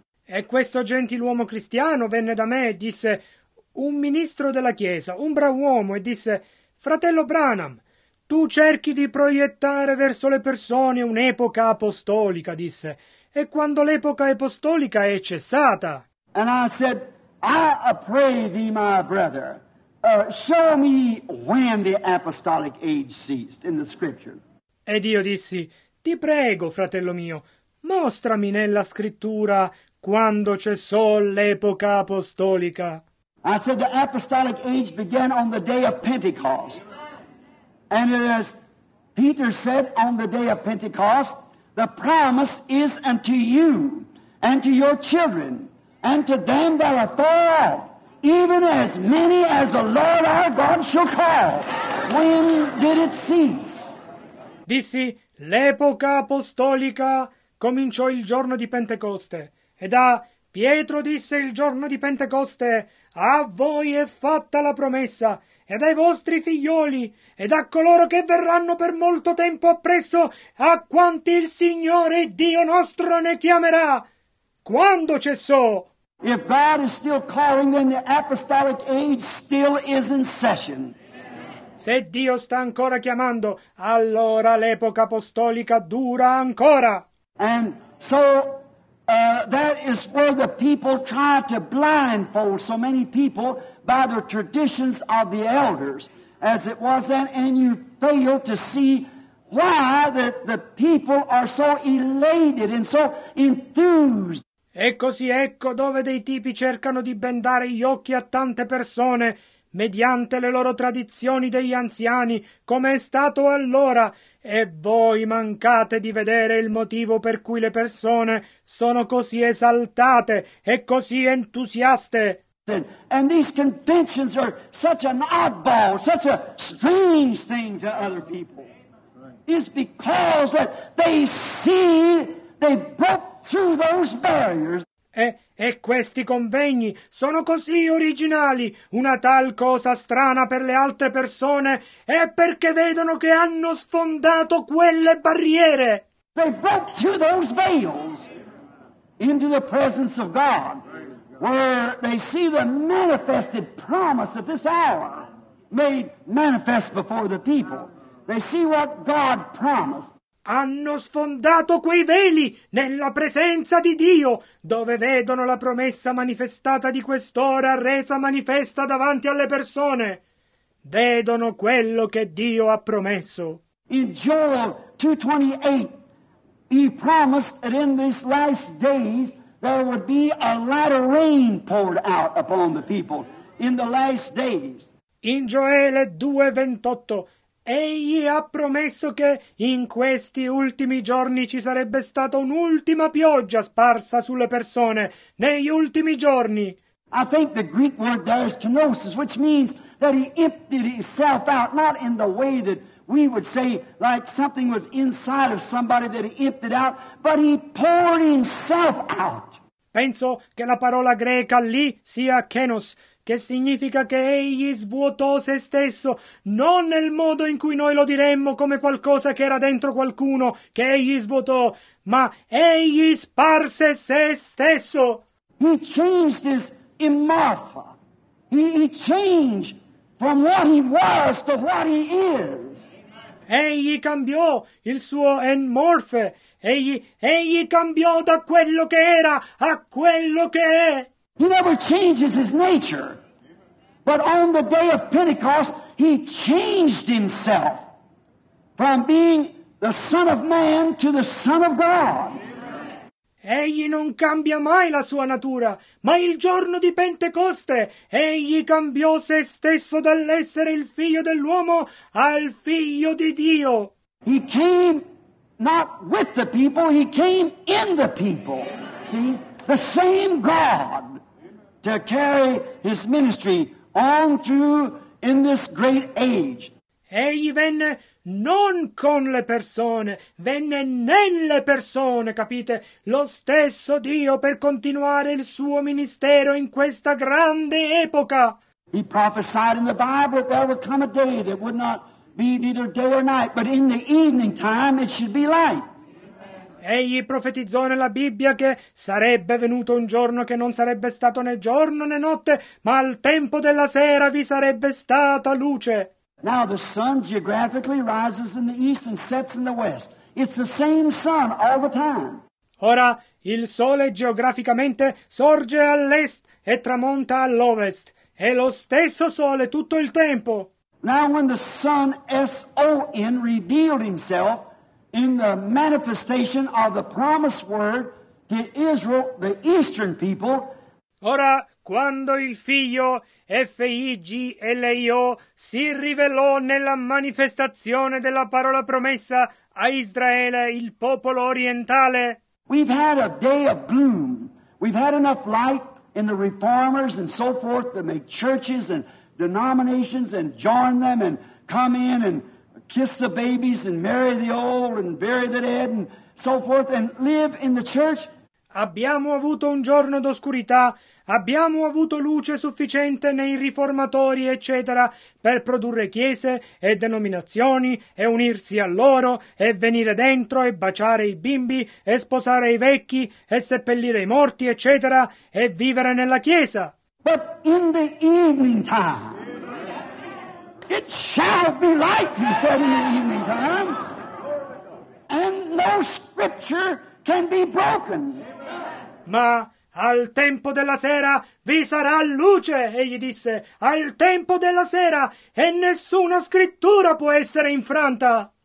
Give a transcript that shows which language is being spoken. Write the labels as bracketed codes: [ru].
[it] E questo gentiluomo cristiano venne da me e disse, un ministro della Chiesa, un brav'uomo, e disse, fratello Branham, tu cerchi di proiettare verso le persone un'epoca apostolica, disse, e quando l'epoca apostolica è cessata. [en] And I said, I pray thee, my brother, show me when the apostolic age ceased in the scripture. [it] Ed io dissi, ti prego, fratello mio, mostrami nella scrittura quando cessò l'epoca apostolica. [en] I said the apostolic age began on the day of Pentecost. And it is, Peter said, on the day of Pentecost, the promise is unto you and to your children and to them that are far off, even as many as the Lord our God shall call. When did it cease? [it] Dissi, l'epoca apostolica cominciò il giorno di Pentecoste. E da Pietro disse il giorno di Pentecoste, a voi è fatta la promessa, e dai vostri figlioli, e da coloro che verranno per molto tempo appresso, a quanti il Signore Dio nostro ne chiamerà. Quando cessò? [en] If God is still calling, then the apostolic age still is in session. [it] Se Dio sta ancora chiamando, allora l'epoca apostolica dura ancora. [en] And so that is where the people try to blindfold so many people by the traditions of the elders, as it was then, and you fail to see why that the people are so elated and so enthused. [it] E così ecco dove dei tipi cercano di bendare gli occhi a tante persone mediante le loro tradizioni degli anziani, come è stato allora, e voi mancate di vedere il motivo per cui le persone sono così esaltate e così entusiaste. [en] And these conventions are such an oddball, such a strange thing to other people. It's because that they see, they broke through those barriers. [it] E questi convegni sono così originali, una tal cosa strana per le altre persone, è perché vedono che hanno sfondato quelle barriere. [en] They broke through those veils into the presence of God, where they see the manifested promise of this hour made manifest before the people. They see what God promised. [it] Hanno sfondato quei veli nella presenza di Dio, dove vedono la promessa manifestata di quest'ora resa manifesta davanti alle persone. Vedono quello che Dio ha promesso. [en] In Joel 2:28, he promised that in these last days there would be a lot of rain poured out upon the people. In the last days. [it] In Gioele 2:28. Egli ha promesso che in questi ultimi giorni ci sarebbe stata un'ultima pioggia sparsa sulle persone, negli ultimi giorni. [en] I think the Greek word there is kenosis, which means that he emptied himself out, not in the way that we would say like something was inside of somebody that he emptied out, but he poured himself out. [it] Penso che la parola greca lì sia kenos, che significa che egli svuotò se stesso, non nel modo in cui noi lo diremmo come qualcosa che era dentro qualcuno, che egli svuotò, ma egli sparse se stesso. [en] He changed his imorpha. He changed from what he was to what he is. [it] Egli cambiò il suo enmorfe. Egli cambiò da quello che era a quello che è. [en] He never changes his nature. But on the day of Pentecost, he changed himself from being the Son of Man to the Son of God. [it] Egli non cambia mai la sua natura, ma il giorno di Pentecoste egli cambiò se stesso dall'essere il figlio dell'uomo al figlio di Dio. [en] He came not with the people, he came in the people. See? The same God to carry his ministry on through in this great age. [it] Egli venne non con le persone, venne nelle persone, capite? Lo stesso Dio per continuare il suo ministero in questa grande epoca. [en] He prophesied in the Bible that there would come a day that would not be neither day or night, but in the evening time it should be light. [it] Egli profetizzò nella Bibbia che sarebbe venuto un giorno che non sarebbe stato né giorno né notte, ma al tempo della sera vi sarebbe stata luce. [en] Now the sun geographically rises in the east and sets in the west. It's the same sun all the time. [it] Ora il sole geograficamente sorge all'est e tramonta all'ovest. È lo stesso sole tutto il tempo. [en] Now when the sun, S-O-N, revealed himself in the manifestation of the promised word to Israel, the eastern people. [it] Ora quando il figlio F-I-G-L-I-O si rivelò nella manifestazione della parola promessa a Israele, il popolo orientale. [en] We've had a day of gloom. We've had enough light in the reformers and so forth to make churches and denominations and join them and come in and kiss the babies and marry the old and bury the dead and so forth and live in the church. [it] Abbiamo avuto un giorno d'oscurità. Abbiamo avuto luce sufficiente nei riformatori, eccetera, per produrre chiese e denominazioni e unirsi a loro e venire dentro e baciare i bimbi e sposare i vecchi e seppellire i morti, eccetera, e vivere nella chiesa. But in the evening time, it shall be light, he said, in the evening time, and no scripture can be broken. Ma al tempo della sera vi sarà luce, egli disse, al tempo della sera, e nessuna scrittura può essere infranta.